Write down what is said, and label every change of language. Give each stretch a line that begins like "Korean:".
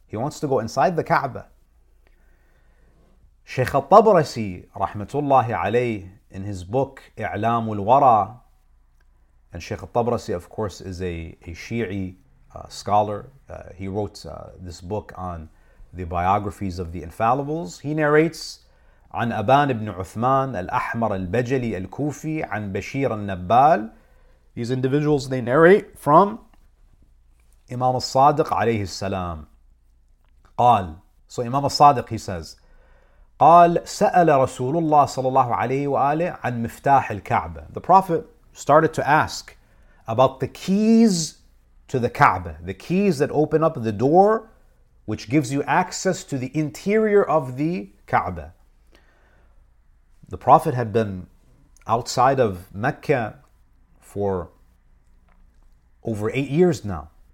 English: He wants to go inside the Kaaba. Shaykh al-Tabrasi, rahmatullahi alayh, in his book, I'lam al-Wara, and Shaykh al-Tabrasi, of course, is a Shi'i scholar. He wrote this book on the biographies of the infallibles. He narrates,
Arabic: عن أبان بن عثمان الأحمر البجلي الكوفي عن بشير النبال
English: These individuals, they narrate from Imam al-Sadiq alayhi salam.
Arabic: قال.
English: So Imam al-Sadiq, he says,
Arabic: قال سأل رسول الله صلى الله عليه وآله عن مفتاح الكعبة.
English: The Prophet started to ask about the keys to the Kaaba, the keys that open up the door, which gives you access to the interior of the Kaaba. The Prophet had been outside of Mecca for over 8 years now.